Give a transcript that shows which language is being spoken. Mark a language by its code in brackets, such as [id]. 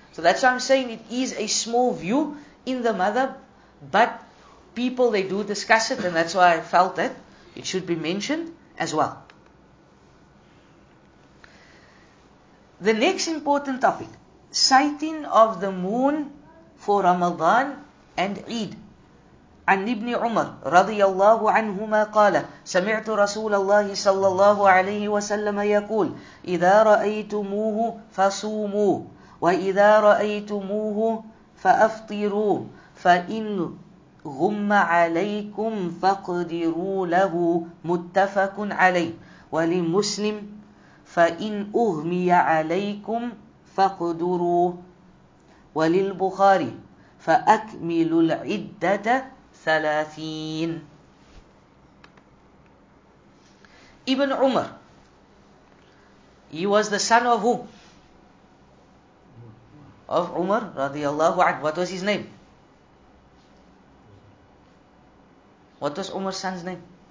[en] So that's why I'm saying it is a small view in the madhab, but people, they do discuss it, and that's why I felt that it should be mentioned as well. The next important topic, sighting of the moon for Ramadan and Eid. [ar] عن ابن عمر رضي الله عنهما قال سمعت رسول الله صلى الله عليه وسلم يقول إذا رأيتموه فصوموا وإذا رأيتموه فأفطروا فإن غم عليكم فاقدروا له متفق عليه ولمسلم فإن أغمي عليكم فاقدروا وللبخاري فأكملوا العدة Salafin. [en] Ibn Umar, he was the son of who? Of Umar radiallahu anhu. What was his name? What was Umar's son's name?